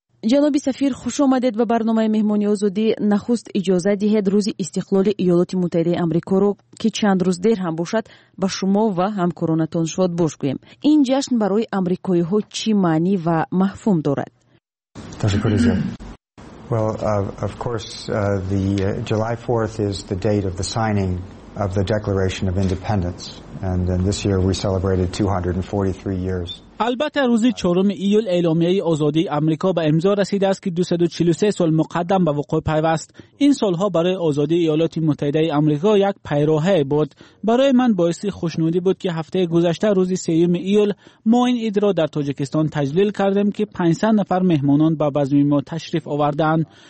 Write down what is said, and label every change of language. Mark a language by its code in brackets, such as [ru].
[fa] جناب سفیر، خوش آمدید و برنامه مهمانی آزادی. نخست اجازه دهید روز استقلال ایالات متحده آمریکا رو که چند روز دیر هم باشد با شما و همکارانتان شاد باش گویم. این جشن برای آمریکایی ها چی معنی و مفهوم دارد؟ تشکر زیاد. [en] Well, of course, the July 4th is the date of the signing of the Declaration of Independence, and then this year we celebrated 243 years. [fa] البته روز 4 ایول اعلامیه آزادی آمریکا به امضا رسیده است که 243 سال مقدم به وقوع پیوست. این سالها برای آزادی ایالات متحده آمریکا یک پیروهه بود. برای من باعث خوشنودی بود که هفته گذشته روز 3 ایول ما این عید را در تاجیکستان تجلیل کردیم که 500 نفر مهمانان به بزم ما تشریف آوردند.